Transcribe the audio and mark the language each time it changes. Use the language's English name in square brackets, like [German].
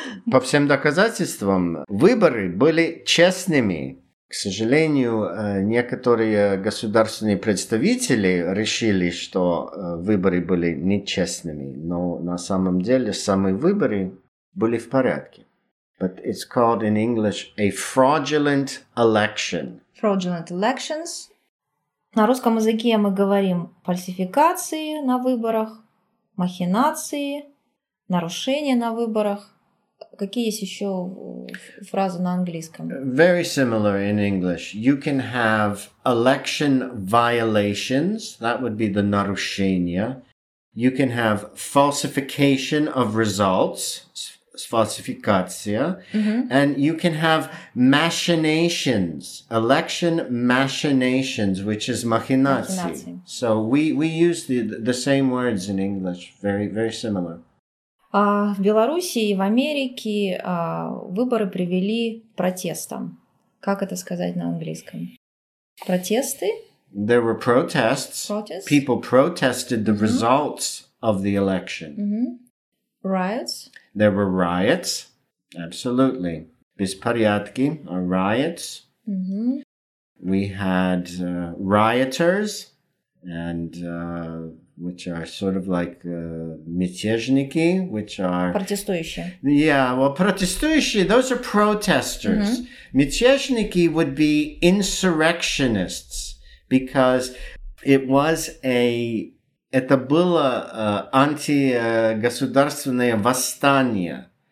[Russian] По всем доказательствам, выборы были честными. К сожалению, некоторые государственные представители решили, что выборы были нечестными. Но на самом деле самые выборы были в порядке. [English] But it's called in English a fraudulent election. Fraudulent elections. [Russian] На русском языке мы говорим фальсификации на выборах, махинации, нарушения на выборах. Какие есть еще фразы на английском? [English] Very similar in English. You can have election violations, that would be the нарушения. You can have falsification of results, фальсификация. Mm-hmm. And you can have machinations, election machinations, which is махинации. So we use the same words in English, very, very similar. [Russian] В Беларуси и в Америке выборы привели к протестам. Как это сказать на английском? Протесты? [English] There were protests. Protests? People protested the mm-hmm. results of the election. Mm-hmm. Riots? There were riots, absolutely. Беспорядки are riots. Mm-hmm. We had rioters, and which are sort of like мятежники, which are... [Russian] Протестующие. [English] Yeah, well, протестующие, those are protesters. Mm-hmm. Мятежники would be insurrectionists, because it was a... [Russian] Это было антигосударственное восстание.